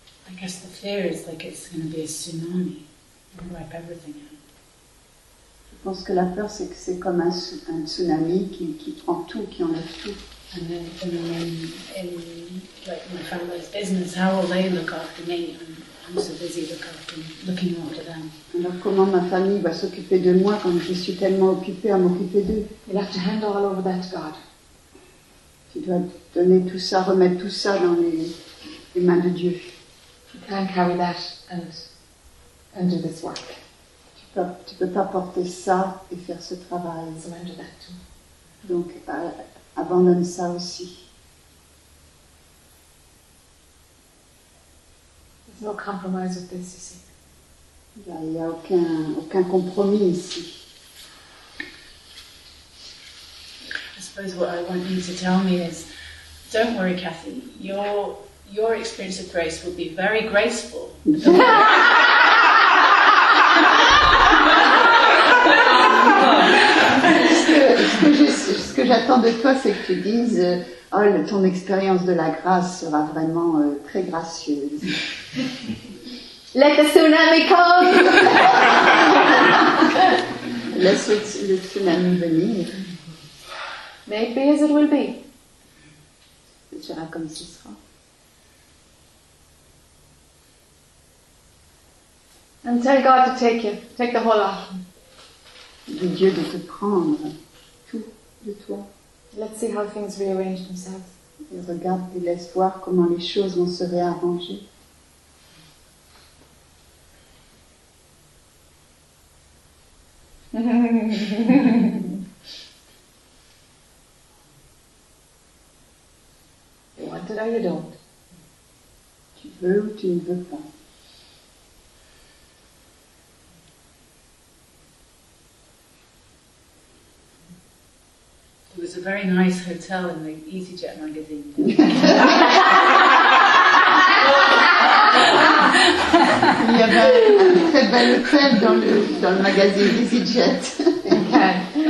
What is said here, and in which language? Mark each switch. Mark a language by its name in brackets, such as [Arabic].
[English] I guess the fear is like it's going to be a tsunami. It'll wipe everything out. [French] Je pense que la peur, c'est que c'est comme un tsunami qui prend tout, qui enlève tout. [English] And then in my family's business, how will they look after me? I'm so busy looking after them. [French] Alors comment ma famille va s'occuper de moi quand je suis tellement occupée à m'occuper d'eux? [English] You'll have to hand all over that, God. [French] Tu dois donner tout ça, remettre tout ça dans les mains de Dieu. [English] You can't carry that and do this work. [French] Tu peux pas porter ça et faire ce travail. [English] Surrender that too. [French] Donc, abandonne ça aussi. [English] There's no compromise with this, you see. [French] Il n'y a aucun compromis ici. [English] I suppose what I want you to tell me is, don't worry, Kathy, your experience of grace will be very graceful. [French] ce que j'attends de toi, c'est que tu dises, oh, ton expérience de la grâce sera vraiment très gracieuse. [English] Let the tsunami come! [French] Laisse le tsunami venir. [English] May it be as it will be. [French] Ce sera comme ce sera. [English] And tell God to take you, take the whole lot. [French] De Dieu de te prendre tout de toi. [English] Let's see how things rearrange themselves. [French] Et regarde et laisse voir comment les choses vont se réarranger. [English] You want it or you don't. [French] Tu veux ou tu ne veux pas. [English] It was a very nice hotel in the EasyJet magazine. [French] Il y avait un très bel hôtel dans le magazine EasyJet.